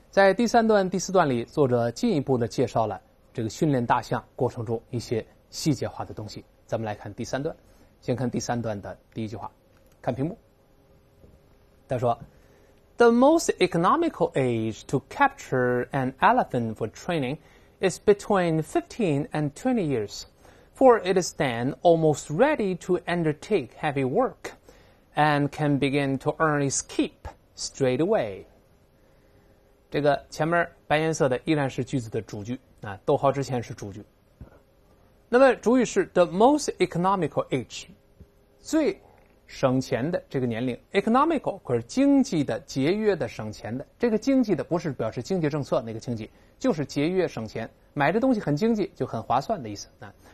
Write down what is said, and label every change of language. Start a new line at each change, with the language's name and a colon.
Chinese: 在第三段、第四段里，作者进一步的介绍了这个训练大象过程中一些细节化的东西。咱们来看第三段，先看第三段的第一句话，看屏幕。他说 ：
English: “The most economical age to capture an elephant for training is between 15 and 20 years, for it is then almost ready to undertake heavy work and can begin to earn its keep straight away.”
Chinese: 这个前面白颜色的依然是句子的主句啊，逗号之前是主句。那么主语是
English: the most economical age，
Chinese: 最省钱的这个年龄。 economical 可是经济的、节约的、省钱的。这个经济的不是表示经济政策那个经济，就是节约省钱，买的东西很经济，就很划算的意思啊。